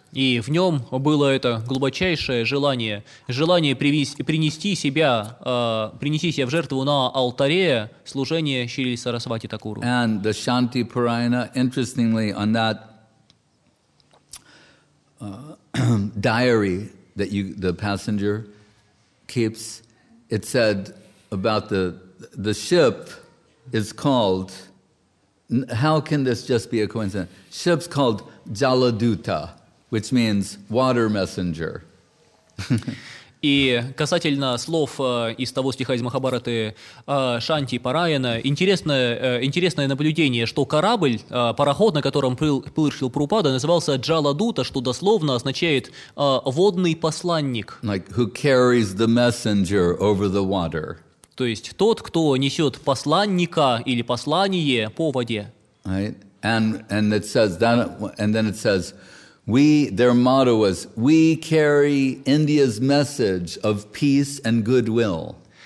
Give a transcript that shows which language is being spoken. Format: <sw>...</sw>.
<ru>И в нем было это глубочайшее желание, желание принести себя в жертву на алтаре служения Шрили Сарасвати Такуру.</ru> <en>And the Shanti Purana, interestingly, on that diary that the passenger keeps, it said about the ship is called, how can this just be a coincidence? Ship's called Jaladuta, which means water messenger.</en> <ru>И касательно слов из того стиха из Махабхараты Шанти Параяна, интересное наблюдение, что корабль, пароход, на котором плыл Шрила Прабхупада, назывался Джаладута, что дословно означает водный посланник.</ru> <en>Like who carries the messenger over the water.</en> <ru>То есть тот, кто несет посланника или послание по воде.</ru> <en>Right. And it says that, and then it says, their motto was, we carry India's message of peace and goodwill.</en>